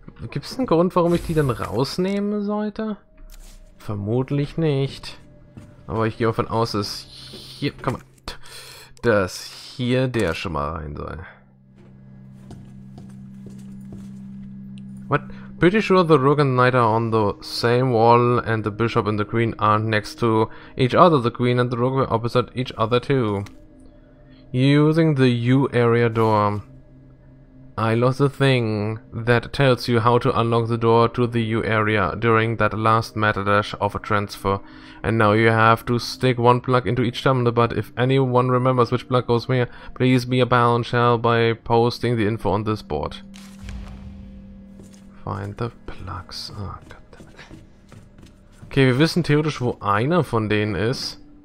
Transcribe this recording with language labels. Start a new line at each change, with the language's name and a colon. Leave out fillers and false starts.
German: Gibt es einen Grund, warum ich die dann rausnehmen sollte? Vermutlich nicht. Aber ich gehe davon aus, dass hier, komm, dass hier der schon mal rein soll.
English: What? Pretty sure the rook and knight are on the same wall and the bishop and the queen aren't next to each other. The queen and the rook were opposite each other too. Using the U area door. I lost the thing that tells you how to unlock the door to the U area during that last meta dash of a transfer. And now you have to stick one plug into each terminal, but if anyone remembers which plug goes where, please be a pal and shell by posting the info on this board. Find the plugs. Oh, goddammit.
German: Okay, wir wissen theoretisch, wo einer von denen ist.